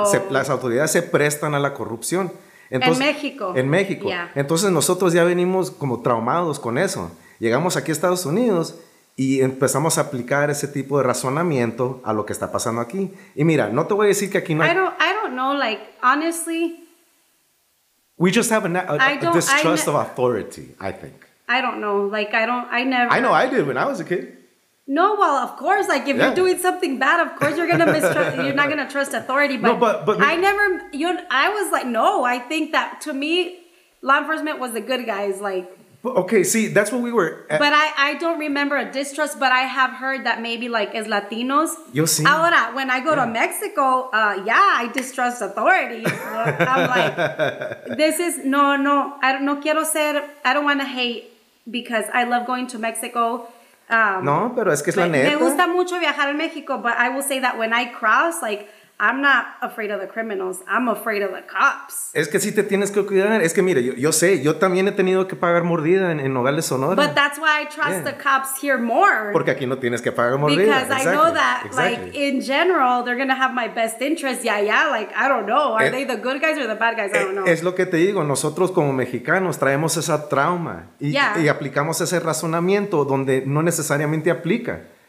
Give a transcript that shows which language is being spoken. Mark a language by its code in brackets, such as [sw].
[es] Las autoridades se prestan a la corrupción. Entonces, en México. En México. Yeah. Entonces nosotros ya venimos como traumados con eso. Llegamos aquí a Estados Unidos y empezamos a aplicar ese tipo de razonamiento a lo que está pasando aquí. Y mira, no te voy a decir que aquí no hay... [en] I don't know, like, honestly... We just have a distrust of authority, I think. I don't know. Like, I never... I know I did when I was a kid. No, well, of course. Like, if you're doing something bad, of course you're going to mistrust... you're not going to trust authority. But, no, but I never... I was like, no, I think that, to me, law enforcement was the good guys, like... Okay, see, that's what we were... But I don't remember a distrust, but I have heard that maybe, like, as Latinos... [es] Yo sí. [en] Ahora, when I go to Mexico, I distrust authority. I'm like, this is... [es] No, no quiero ser... [en] I don't want to hate, because I love going to Mexico. [es] No, pero es que es la neta. Me gusta mucho viajar a México, [en] but I will say that when I cross, like, I'm not afraid of the criminals. I'm afraid of the cops. [es] Es que si te tienes que cuidar. Es que mira, yo sé. Yo también he tenido que pagar mordida en Nogales, Sonora. [en] But that's why I trust the cops here more. [es] Porque aquí no tienes que pagar mordida. [en] Because exactly. I know that, like, in general, they're going to have my best interest. Yeah, like, I don't know. Are they the good guys or the bad guys? I don't know. [es] Es lo que te digo. Nosotros como mexicanos traemos esa trauma. Y aplicamos ese razonamiento donde no necesariamente aplica.